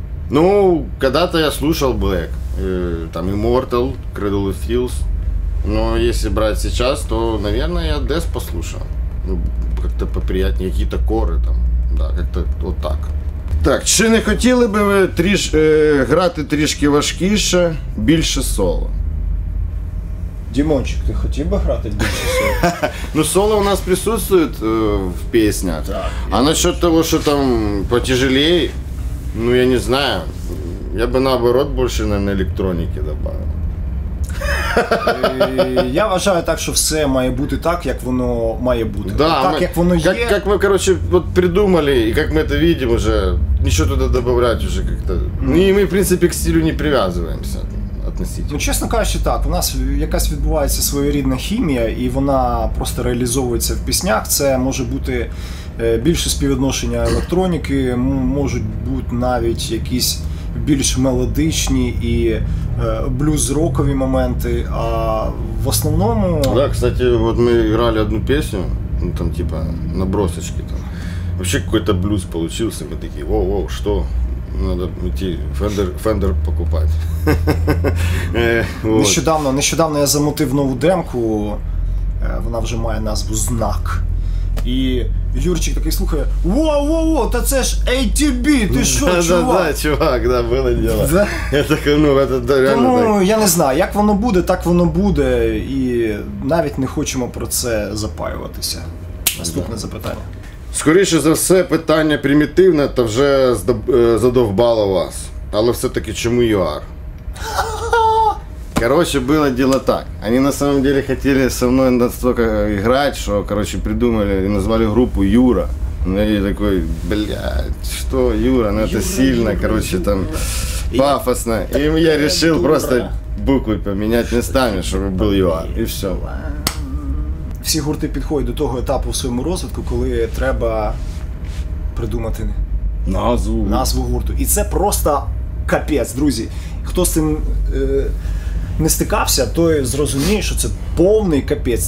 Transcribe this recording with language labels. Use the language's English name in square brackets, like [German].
[Russian] Ну, когда-то я слушал Black, там Immortal, Cradle of Filth, но если брать сейчас, то, наверное, я Death послушал. Ну, как-то поприятнее, какие-то коры там, да, как-то вот так. [Ukrainian] Так, чи не хотіли би ви грати трішки важкіше, більше соло? Димончик, ти хотів би грати більше соло? Ну, соло у нас присутствує в піснях. [Russian] А насчет того, [Ukrainian] що там потяжелее, ну я не знаю. Я би наоборот більше на електроніки добавив. Я вважаю так, що все має бути так, як воно має бути. Да, так, як воно є. Як ми, короче, от придумали, і як ми це бачимо вже, нічого туди додавати вже як-то. Ну, і ми, в принципі, к стилю не прив'язуємося. Ну, чесно кажучи, так, у нас якась відбувається своєрідна хімія, і вона просто реалізовується в піснях. Це може бути більше співвідношення електроніки, можуть бути навіть якісь більш мелодичні і блюз-рокові моменти, а в основному... Так, да, кстати, от ми грали одну пісню, ну, там, типа, набросочки, там. Взагалі, якийсь блюз вийшов, ми такі, воу-воу, що? [Russian] Надо идти Fender покупать. Вот. [Ukrainian] Нещодавно я замутив нову демку, вона вже має назву «Знак». І Юрчик такий слухає: «Воу-воу-воу, та це ж ATB, ти що, чувак?» Да, чувак, да, було діло. Да? Тому я не знаю, як воно буде, так воно буде, і навіть не хочемо про це запаюватися. Наступне запитання. Скоріше за все, питання примітивне та вже задовбало вас. Але все-таки чому ЮАР? Короче, було діло так. Вони на самом деле хотіли зі мною настільки грати, що, короче, придумали і назвали групу Юра. [Russian] Ну я такой, блядь, что, Юра, ну это Юра, сильно, Юра, короче, Юра. Там пафосно. И я решил дура. Просто букву поменять местами, чтобы был ЮАР. И все. [Ukrainian] Всі гурти підходять до того етапу в своєму розвитку, коли треба придумати назву гурту. І це просто капець, друзі. Хто з цим не стикався, той зрозуміє, що це повний капець.